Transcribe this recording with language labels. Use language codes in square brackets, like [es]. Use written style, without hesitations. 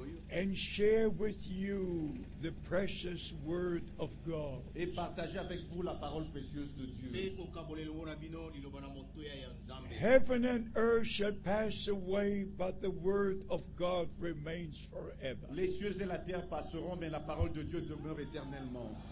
[en] And share with you the precious word of God. [fr] Et partager avec vous la parole précieuse de Dieu. [en] Heaven and earth shall pass away, but the word of God remains forever. [fr] Les cieux et la terre passeront, mais la parole de Dieu demeure éternellement.